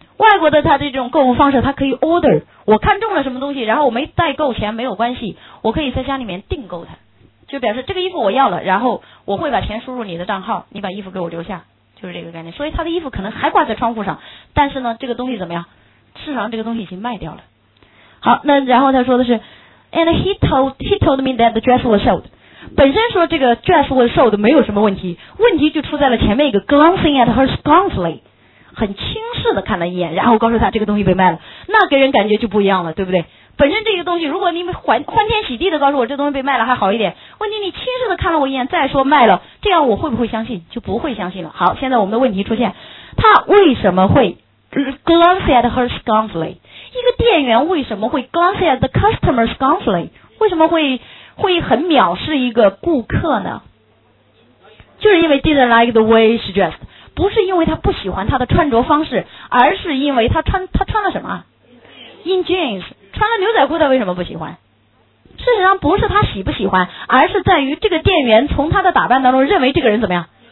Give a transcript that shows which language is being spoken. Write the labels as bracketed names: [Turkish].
[Chinese] 外国的他的这种购物方式，他可以 order， 我看中了什么东西，然后我没带够钱没有关系，我可以在家里面订购它，就表示这个衣服我要了，然后我会把钱输入你的账号，你把衣服给我留下，就是这个概念。所以他的衣服可能还挂在窗户上，但是呢这个东西怎么样，市场这个东西已经卖掉了。好，那然后他说的是 [English] And he told me that the dress was sold. [Chinese] 本身说这个 dress was sold 没有什么问题，问题就出在了前面一个 [English] glancing at her scornfully， [Chinese] 很轻视的看了一眼，然后告诉他这个东西被卖了，那给人感觉就不一样了，对不对？本身这个东西，如果你欢天喜地的告诉我这东西被卖了还好一点，问题你轻视的看了我一眼再说卖了，这样我会不会相信？就不会相信了。好，现在我们的问题出现，他为什么会 [English] glance at her scornfully？ [Chinese] 一个店员为什么会 [English] glance at the customer scornfully？ [Chinese] 为什么会很藐视一个顾客呢？就是因为 [English] didn't like the way she dressed， [Chinese] 不是因为他不喜欢他的穿着方式，而是因为他穿了什么 ？In jeans， 穿了牛仔裤，他为什么不喜欢？事实上不是他喜不喜欢，而是在于这个店员从他的打扮当中认为这个人怎么样？